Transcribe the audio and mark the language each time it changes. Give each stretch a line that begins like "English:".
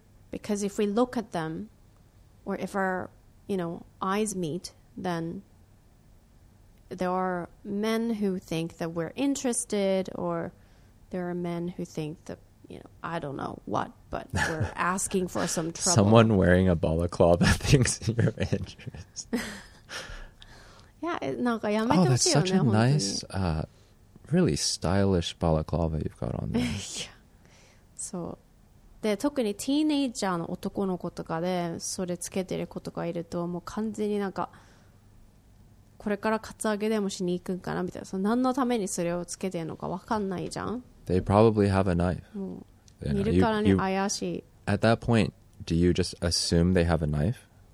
English: Because if we look at them or if our, you know, eyes meet, then there are men who think that we're interested or there are men who think that, you know, I don't know what, but we're asking for some trouble. Someone wearing a balaclava thinks you're interested.
Japanese: Yeah, なんかやめてほしいよね、
English: oh, that's such a nice, really stylish balaclava you've got on there.
Japanese: Yeah. そう。で、特にティーネイジャーの男の子とかでそれつけてる子とかいると、もう完全になんかこれからカツアゲでもしに行くんかなみたいな、その何のためにそれをつけてるのか分かんないじゃん。
English: They probably have a knife.
Japanese: 見るからに怪しい。
English: At that point, do you just assume they have a knife?